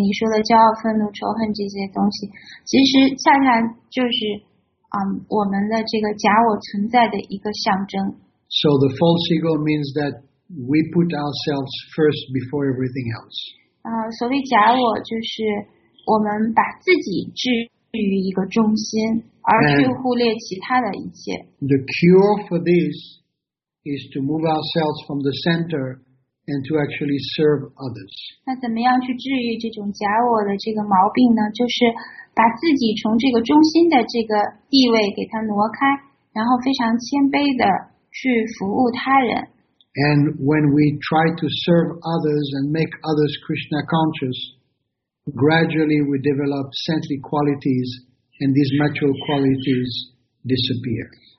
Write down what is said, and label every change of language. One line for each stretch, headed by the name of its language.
Chinese: 你说的骄傲、愤怒、仇恨这些东西，其实恰恰就是我们的这个假我存在的一个象征。
English: So the false ego means that. We put ourselves first before everything else.
Chinese: 所谓假我就是我们把自己置于一个中心，而去忽略其他的一切。
English: The cure for this is to move ourselves from the center and to actually serve others.
Chinese: 那怎么样去治愈这种假我的这个毛病呢？就是把自己从这个中心的这个地位给它挪开，然后非常谦卑的去服务他人。
English: And when we try to serve others and make others Krishna conscious, gradually we develop saintly qualities and these material qualities disappear.